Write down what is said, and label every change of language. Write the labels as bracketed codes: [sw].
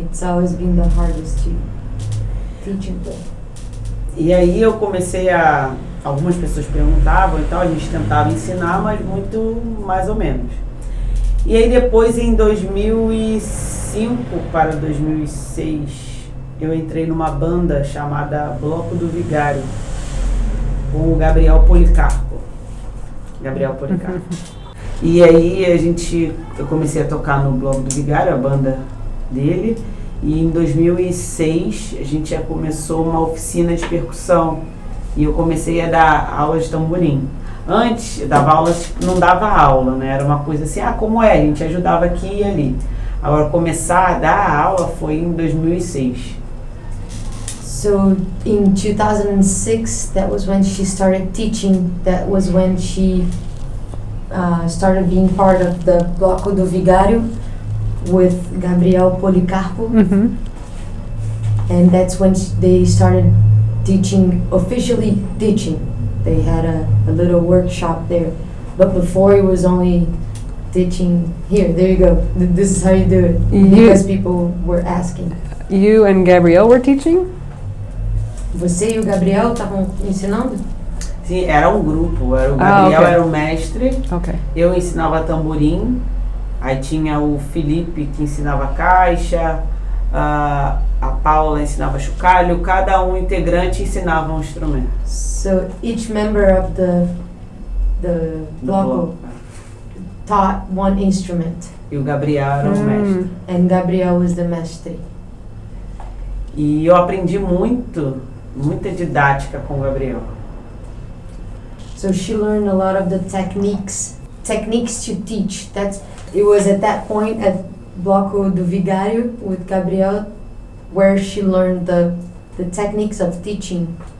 [en] It's always been the hardest to teach and play. [pt] E aí eu comecei a... Algumas pessoas perguntavam e tal, a gente tentava ensinar, mas muito mais ou menos. E aí depois, em 2005 para 2006, eu entrei numa banda chamada Bloco do Vigário, com o Gabriel Policarpo. Gabriel Policarpo. E aí a gente, eu comecei a tocar no Bloco do Vigário, a banda dele, e em 2006 a gente já começou uma oficina de percussão, e eu comecei a dar aulas de tamborim. Antes, eu dava aulas, não dava aula, né? Era uma coisa assim, ah, como é? A gente ajudava aqui e ali. Agora, começar a dar aula foi em 2006. [en] So, in 2006, that was when she started teaching. That was when she started being part of the Bloco do Vigário with Gabriel Policarpo. Mm-hmm. And that's when they started teaching, officially teaching. They had a little workshop there, but before it was only teaching here. There you go. This is how you do it. Because people were asking. You and Gabriel were teaching? [pt] Você e o Gabriel estavam ensinando? Sim, era um grupo. Era o Gabriel, [en] okay. [pt] Era o mestre. [en] Okay. [pt] Eu ensinava tamborim. Aí tinha o Felipe que ensinava caixa. A Paula ensinava chocalho. Cada um integrante ensinava um instrumento. [en] So each member of the bloco taught one instrument. [pt] E o Gabriel era o mestre. [en] And Gabriel was the mestre. [pt] E eu aprendi muito, muita didática com o Gabriel. [en] So she learned a lot of the techniques to teach. That's, it was at that point at Bloco do Vigário with Gabriel where she learned the techniques of teaching.